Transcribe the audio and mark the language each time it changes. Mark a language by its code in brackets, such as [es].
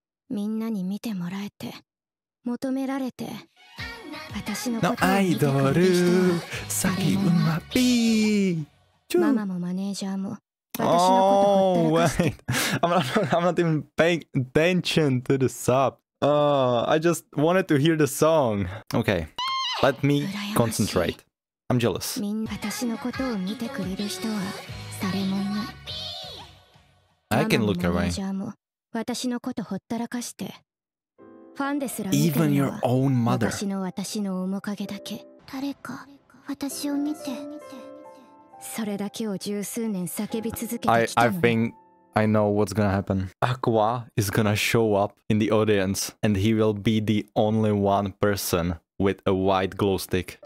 [ja] みんなに見てもらえて求められて私のことを見てくれる人は誰もいない。ママもマネージャーも私のことをほったらかして。 [en] Oh, wait. I'm not even paying attention to the sub. I just wanted to hear the song. Okay, let me concentrate. I'm jealous. [ja] みんな私のことを見てくれる人は誰もいない。 [en] I can look away. [ja] ママも私のことほったらかして。ファンですら見てるのは、 [en] Even your own mother. [ja] 私の面影だけ。誰か私を見て。それだけを十数年叫び続けてきたの。 [en] I think I know what's gonna happen. Aqua is gonna show up in the audience and he will be the only one person with a white glow stick.